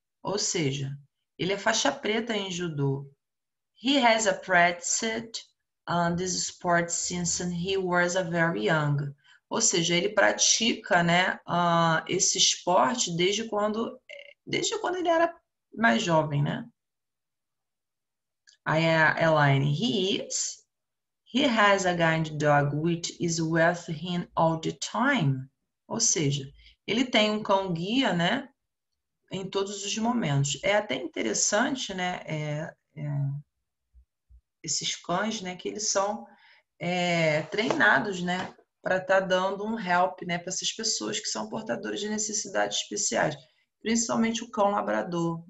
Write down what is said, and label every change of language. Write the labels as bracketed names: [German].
[Portuguese] Ou seja, ele é faixa preta em judô. [English] He has practiced this sport since he was a very young. [Portuguese] Ou seja, ele pratica, né, esse esporte desde quando ele era mais jovem, né? Aí é a Elaine. [English] He has a guide dog which is with him all the time. [Portuguese] Ou seja, ele tem um cão guia, né, em todos os momentos. É até interessante, né, esses cães, né, que eles são treinados, né, para estar tá dando um help, né, para essas pessoas que são portadores de necessidades especiais, principalmente o cão labrador.